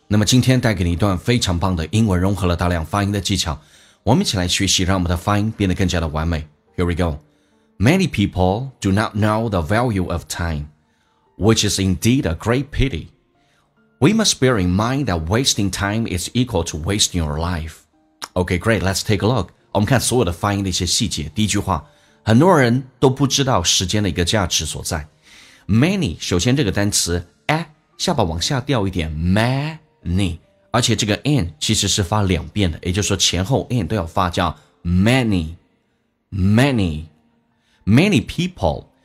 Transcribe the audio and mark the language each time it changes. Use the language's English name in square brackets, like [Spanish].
[Chinese] 那么今天带给你一段非常棒的英文，融合了大量发音的技巧，我们一起来学习，让我们的发音变得更加的完美。 [English] Here we go。 Many people do not know the value of time, which is indeed a great pity. We must bear in mind that wasting time is equal to wasting your life. Okay, great, let's take a look。 [Chinese] 我们看所有的发音的一些细节。第一句话，很多人都不知道时间的一个价值所在。 Many， 首先这个单词 a 下巴往下掉一点 many， 而且这个 n 其实是发两遍的，也就是说前后 n 都要发，叫 [English] many many many people。